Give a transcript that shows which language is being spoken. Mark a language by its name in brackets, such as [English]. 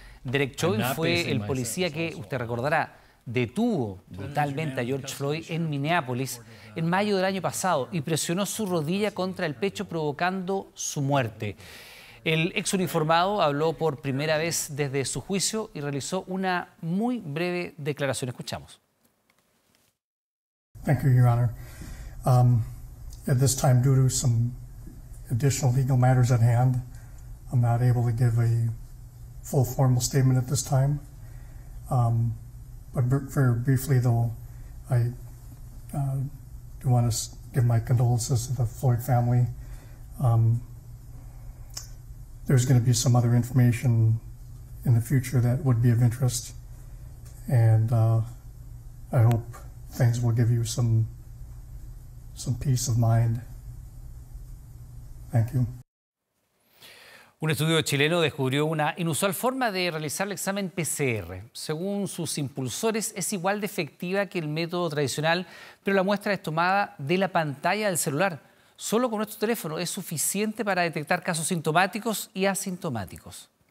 [Spanish] Derek Chauvin fue el policía que, usted recordará, detuvo brutalmente a George Floyd en Minneapolis en mayo del año pasado y presionó su rodilla contra el pecho provocando su muerte. El ex uniformado habló por primera vez desde su juicio y realizó una muy breve declaración. Escuchamos. [English] Thank you, Your Honor. At this time, due to some additional legal matters at hand, I'm not able to give a full formal statement at this time. But very briefly, though, I do want to give my condolences to the Floyd family. There's going to be some other information in the future that would be of interest, and I hope things will give you some peace of mind. Thank you. [Spanish] Un estudio chileno descubrió una inusual forma de realizar el examen PCR. Según sus impulsores, es igual de efectiva que el método tradicional, pero la muestra es tomada de la pantalla del celular. Solo con nuestro teléfono es suficiente para detectar casos sintomáticos y asintomáticos.